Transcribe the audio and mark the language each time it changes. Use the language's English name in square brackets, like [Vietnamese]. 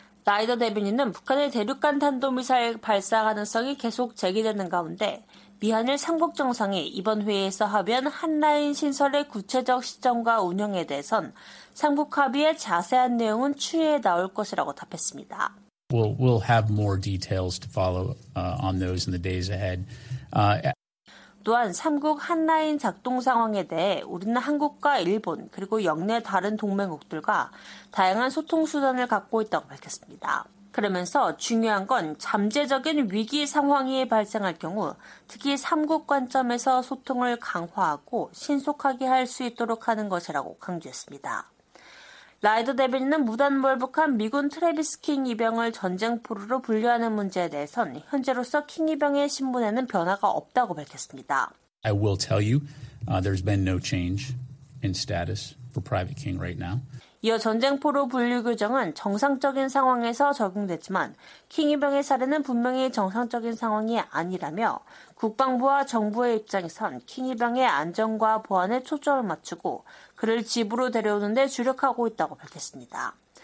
[Korean] 라이더 대변인은 북한의 대륙간 탄도미사일 발사 가능성이 계속 제기되는 가운데 미한일 3국 정상이 이번 회의에서 합의한 한라인 신설의 구체적 시점과 운영에 대해선 3국 합의의 자세한 내용은 추후에 나올 것이라고 답했습니다. [English] We'll have more details to follow on those in the days ahead. [Korean] 또한 3국 한라인 작동 상황에 대해 우리는 한국과 일본 그리고 영내 다른 동맹국들과 다양한 소통 수단을 갖고 있다고 밝혔습니다. 그러면서 중요한 건 잠재적인 위기 상황이 발생할 경우 특히 3국 관점에서 소통을 강화하고 신속하게 할 수 있도록 하는 것이라고 강조했습니다. 라이더 대변인은 무단 몰북한 미군 트래비스 킹 이병을 전쟁 포로로 분류하는 문제에 대해선 현재로서 킹 이병의 신분에는 변화가 없다고 밝혔습니다. [English] I will tell you there's been no change in status for Private King right now. [Korean] 이어 전쟁 포로 분류 규정은 정상적인 상황에서 적용됐지만 킹 이병의 사례는 분명히 정상적인 상황이 아니라며 국방부와 정부의 입장에선 킹 이병의 안전과 보안에 초점을 맞추고 그를 집으로 데려오는 데 주력하고 있다고 밝혔습니다.